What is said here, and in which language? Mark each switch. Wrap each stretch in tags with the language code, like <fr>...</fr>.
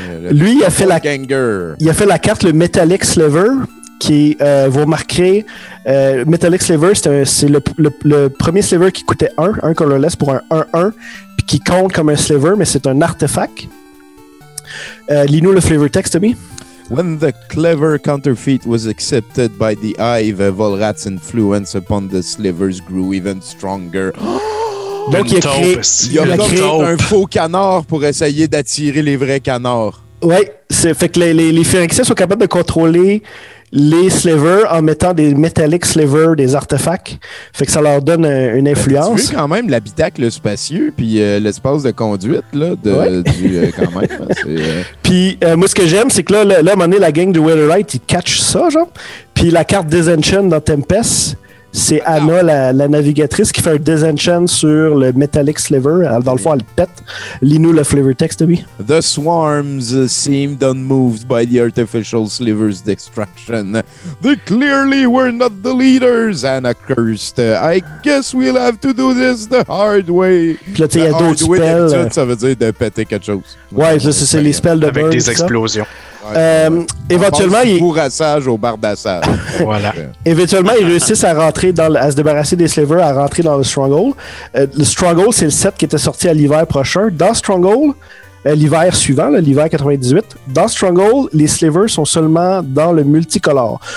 <fr>Lui, il a fait la carte, le Metallic Sliver. Qui vous remarquerez, Metallic Sliver, c'est le premier Sliver qui coûtait 1 colorless pour un 1-1, puis qui compte comme un Sliver, mais c'est un artefact. Lis-nous le Flavor Text, Tommy.</fr> <en>When the clever counterfeit was accepted by the Hive, Volrat's influence upon the Slivers grew even stronger.</en> <fr>Donc il a créé un faux canard pour essayer d'attirer les vrais canards. Oui, fait que les Phyrexiens sont capables de contrôler les slivers en mettant des metallic slivers, des artefacts. Fait que ça leur donne une influence. Tu as vu quand même l'habitacle spacieux puis l'espace de conduite là, quand même. Puis moi, ce que j'aime, c'est que là, à un moment donné, la gang du Weatherlight, ils catchent ça, genre. Puis la carte Disenchant dans Tempest, C'est Anna, la navigatrice, qui fait un disenchant sur le Metallic Sliver. Dans le fond, elle pète. Lis-nous le flavor text, Toby.</fr> <en>The swarms seemed unmoved by the artificial sliver's destruction. They clearly were not the leaders, Anna cursed. I guess we'll have to do this the hard way.</en> <fr>Puis là, tu sais, il y a d'autres spells. Tout, ça veut dire de péter quelque chose. Ouais, ça, c'est les spells de burn. Avec des explosions. Éventuellement, il bourrassage au bardassage. Voilà. Éventuellement, ils réussissent à se débarrasser des slivers, à rentrer dans le Stronghold. Le Stronghold, c'est le set qui était sorti à l'hiver prochain. Dans Stronghold, l'hiver suivant, là, l'hiver 98, dans Stronghold, les slivers sont seulement dans le multicolore.</fr>